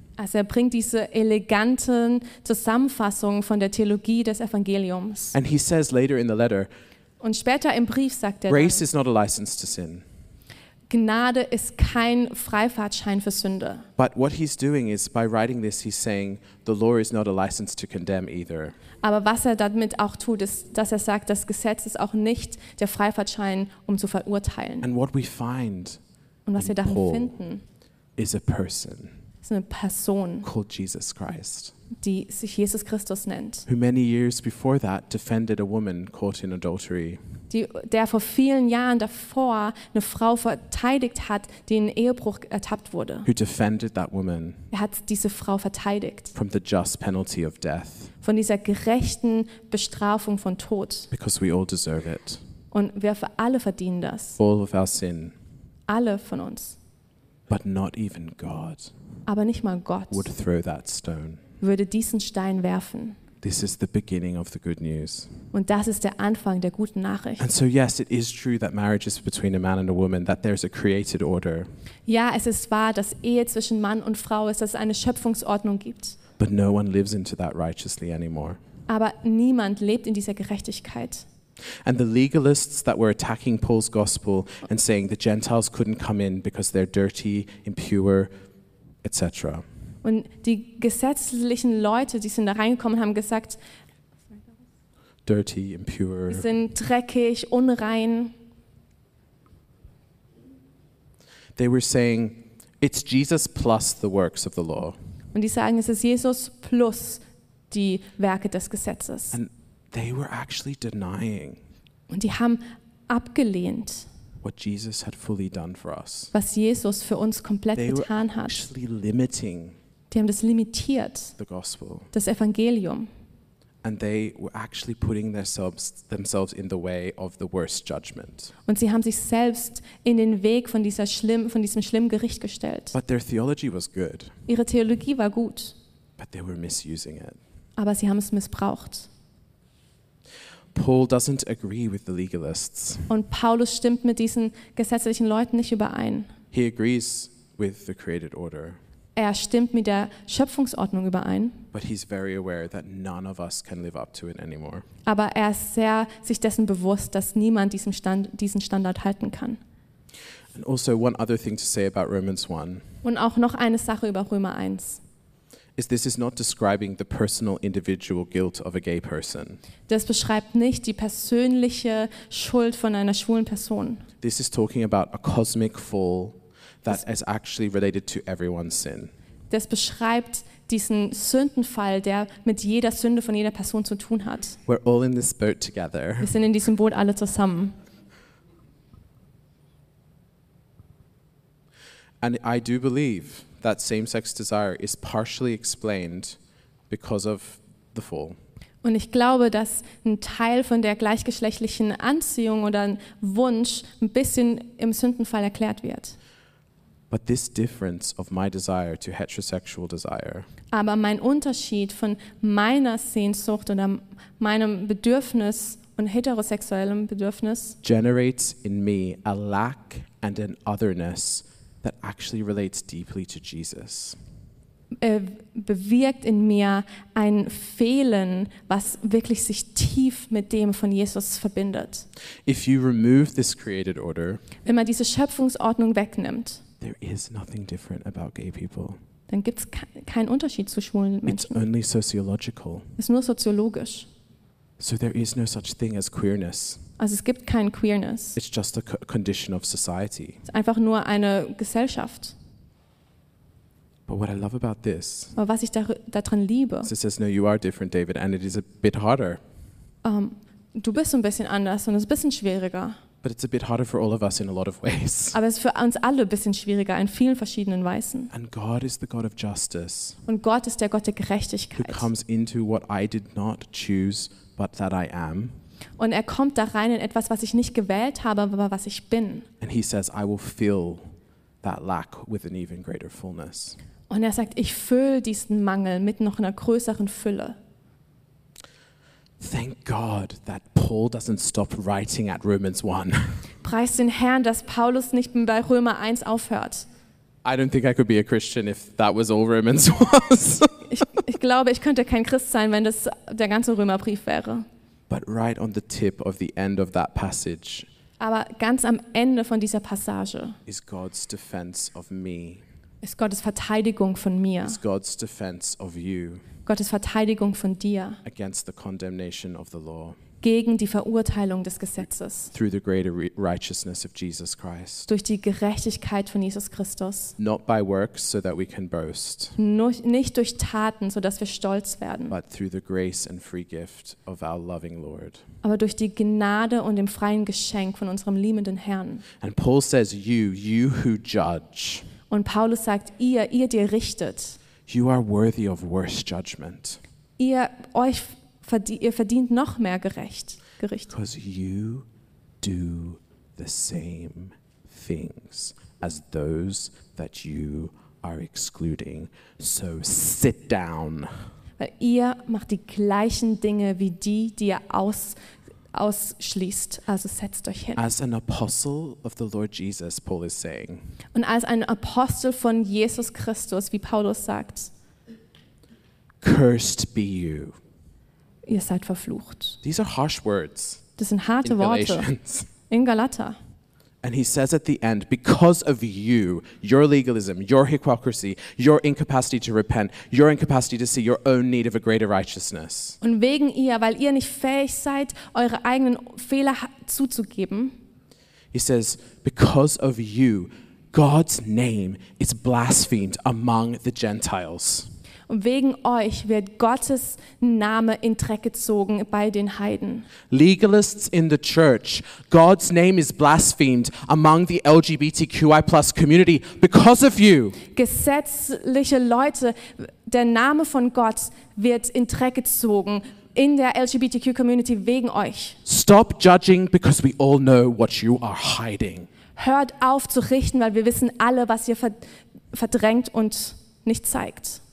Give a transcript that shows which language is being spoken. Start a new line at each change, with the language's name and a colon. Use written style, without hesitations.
German: Also er bringt diese eleganten Zusammenfassung von der Theologie des Evangeliums.
English: And he says later in the letter,
German: und später im Brief sagt er,
English: grace is not a license to sin.
German: Gnade ist kein Freifahrtschein für Sünde.
English: But what he's doing is by writing this he's saying the law is not a license to condemn either.
German: Aber was er damit auch tut, ist, dass er sagt, das Gesetz ist auch nicht der Freifahrtschein, um zu verurteilen.
English: And what we find
German: und was wir darin
English: Paul
German: finden,
English: is a person.
German: Ist eine Person
English: called Jesus Christ.
German: Die sich Jesus Christus nennt.
English: Who many years before that defended a woman caught in adultery.
German: Der vor vielen Jahren davor eine Frau verteidigt hat, die in Ehebruch ertappt wurde.
English: Who defended that woman.
German: Er hat diese Frau verteidigt.
English: From the just penalty of death.
German: Von dieser gerechten Bestrafung von Tod.
English: Because we all deserve it.
German: Und wir für alle verdienen das.
English: All of our sin.
German: Alle von uns.
English: But not even God.
German: Aber nicht mal Gott.
English: Would throw that stone.
German: Würde diesen Stein werfen.
English: This is the beginning of the good news.
German: Und das ist der Anfang der guten Nachricht.
English: And so yes, it is true that marriage is between a man and a woman, that there's a created order.
German: Ja, es ist wahr, dass Ehe zwischen Mann und Frau ist, dass es eine Schöpfungsordnung gibt.
English: But no one lives into that righteously anymore.
German: Aber niemand lebt in dieser Gerechtigkeit.
English: And the legalists that were attacking Paul's gospel and saying the Gentiles couldn't come in because they're dirty, impure, etc.
German: Und die gesetzlichen Leute, die sind da reingekommen, haben gesagt,
English: dirty, impure.
German: Sie sind dreckig, unrein.
English: They were saying, it's Jesus plus the works of the law.
German: Und die sagen, es ist Jesus plus die Werke des Gesetzes.
English: And they were actually denying.
German: Und die haben abgelehnt.
English: What Jesus had fully done for us.
German: Was Jesus für uns komplett
English: they
German: getan hat.
English: Actually limiting.
German: Die haben das limitiert,
English: the gospel.
German: Das Evangelium.
English: And they were actually putting themselves in the way of the worst judgment.
German: Und sie haben sich selbst in den Weg von diesem schlimmen Gericht gestellt.
English: But their theology was good.
German: Ihre Theologie war gut.
English: But they were misusing it.
German: Aber sie haben es missbraucht.
English: Paul doesn't agree with the legalists.
German: Und Paulus stimmt mit diesen gesetzlichen Leuten nicht überein.
English: He agrees with the created order.
German: Er stimmt mit der Schöpfungsordnung überein.
English: But he's very aware that none of us can live up to it anymore.
German: Aber er ist sehr sich dessen bewusst, dass niemand diesen Standard halten kann.
English: And also one other thing to say about Romans 1.
German: Und auch noch eine Sache über Römer 1.
English: Is this is not describing the personal individual guilt of a gay person.
German: Das beschreibt nicht die persönliche Schuld von einer schwulen Person.
English: This is talking about a cosmic fall that is actually related to everyone's sin.
German: Das beschreibt diesen Sündenfall, der mit jeder Sünde von jeder Person zu tun hat.
English: We're all in this boat together.
German: Wir sind in diesem Boot alle zusammen.
English: And I do believe that same-sex desire is partially explained because of the fall.
German: Und ich glaube, dass ein Teil von der gleichgeschlechtlichen Anziehung oder ein Wunsch ein bisschen im Sündenfall erklärt wird.
English: But this difference of my desire to heterosexual desire.
German: Aber mein Unterschied von meiner Sehnsucht oder meinem Bedürfnis und heterosexuellem Bedürfnis
English: generates in me a lack and an otherness that actually relates deeply to Jesus.
German: Bewirkt in mir ein Fehlen, was wirklich sich tief mit dem von Jesus verbindet.
English: If you remove this created order,
German: wenn man diese Schöpfungsordnung wegnimmt,
English: there is nothing different about gay people.
German: Dann gibt's keinen Unterschied zu schwulen Menschen.
English: It's only sociological.
German: Ist nur soziologisch.
English: So there is no such thing as queerness.
German: Also es gibt kein Queerness.
English: It's just a condition of society.
German: Es ist einfach nur eine Gesellschaft.
English: But what I love about this.
German: Aber was ich daran liebe.
English: It says, no, you are different, David, and it is a bit harder.
German: Du bist ein bisschen anders und es ist ein bisschen schwieriger.
English: But it's a bit harder for all of us in a lot of ways.
German: Aber es ist für uns alle ein bisschen schwieriger in vielen verschiedenen Weisen.
English: And God is the God of justice.
German: Und Gott ist der Gott der Gerechtigkeit.
English: Who comes into what I did not choose, but that I am.
German: Und er kommt da rein in etwas, was ich nicht gewählt habe, aber was ich bin.
English: And he says, I will fill that lack with an even greater fullness.
German: Und er sagt, ich fülle diesen Mangel mit noch einer größeren Fülle.
English: Thank God that Paul doesn't stop writing at Romans 1.
German: Preist den Herrn, dass Paulus nicht bei Römer 1 aufhört.
English: I don't think I could be a Christian if that was all Romans was.
German: Ich glaube, ich könnte kein Christ sein, wenn das der ganze Römerbrief wäre.
English: But right on the tip of the end of that passage.
German: Aber ganz am Ende von dieser Passage.
English: Is God's defense of me.
German: Ist Gottes Verteidigung von mir.
English: Is God's defense of you.
German: Gottes Verteidigung von dir.
English: Against the condemnation of the law.
German: Gegen die Verurteilung des Gesetzes.
English: Through the greater righteousness of Jesus Christ.
German: Durch die Gerechtigkeit von Jesus Christus.
English: Not by works so that we can boast.
German: Nicht durch Taten, so dass wir stolz werden.
English: But through the grace and free gift of our loving Lord.
German: Aber durch die Gnade und dem freien Geschenk von unserem liebenden Herrn.
English: And Paul says, you who judge.
German: Und Paulus sagt, ihr die richtet.
English: You are worthy of worse judgment.
German: Ihr verdient noch mehr Gericht.
English: Because you do the same things as those that you are excluding. So sit down.
German: Weil ihr macht die gleichen Dinge wie die ihr ausschließt. Also setzt euch hin.
English: As an apostle of the Lord Jesus, Paul is saying.
German: Und als ein Apostel von Jesus Christus, wie Paulus sagt.
English: Cursed be you.
German: Ihr seid verflucht.
English: These are harsh words.
German: Das sind harte Worte. In Galater.
English: And he says at the end, because of you, your legalism, your hypocrisy, your incapacity to repent, your incapacity to see your own need of a greater righteousness.
German: Und wegen ihr, weil ihr nicht fähig seid, eure eigenen Fehler zuzugeben.
English: He says, because of you, God's name is blasphemed among the Gentiles.
German: Und wegen euch wird Gottes Name in Dreck gezogen bei den Heiden.
English: Legalists in the church, God's name is blasphemed among the LGBTQI+ community because of you.
German: Gesetzliche Leute, der Name von Gott wird in Dreck gezogen in der LGBTQ Community wegen euch.
English: Stop judging because we all know what you are hiding.
German: Hört auf zu richten, weil wir wissen alle, was ihr verdrängt und nicht zeigt.